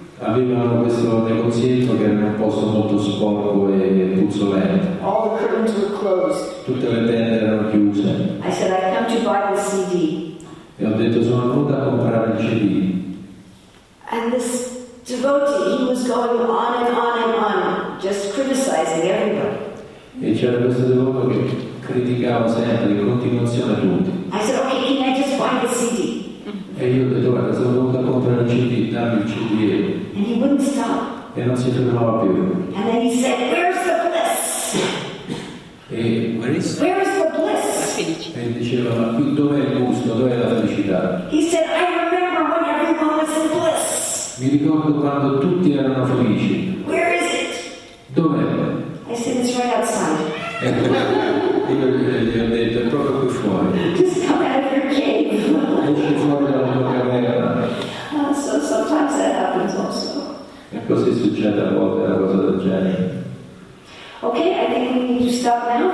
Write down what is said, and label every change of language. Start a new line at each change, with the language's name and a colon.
Italian: Avevano questo negozietto che era un posto molto sporco e puzzolente.
English: All the curtains were closed.
Italian: Tutte le tende erano chiuse.
English: I said, I come to buy the CD.
Italian: E ho detto, sono venuto a comprare il CD.
English: And this devotee, he was going on and on and on, just criticizing everybody.
Italian: E c'era questo devoto che criticava sempre in continuazione tutti.
English: I said, okay, can I just buy the CD?
Italian: E io ho detto, guarda, sono venuto a comprare il CD, dammi il CD.
English: And he wouldn't stop.
Italian: E non si fermava più.
English: And then he said, where's the bliss? E where is the bliss? Where is the bliss?
Italian: E diceva, ma qui dov'è il gusto, dov'è la felicità?
English: He said, I remember when everyone was in bliss.
Italian: Mi ricordo quando tutti erano felici.
English: Where is it?
Italian: Dov'è?
English: I said, it's right outside.
Italian: Ecco. Io gli ho detto, è proprio qui fuori.
English: Just come out of your cave.
Italian: Esci fuori dalla tua caverna.
English: So sometimes that happens also.
Italian: E così succede a volte una cosa del genere.
English: Okay, I think we need to stop now.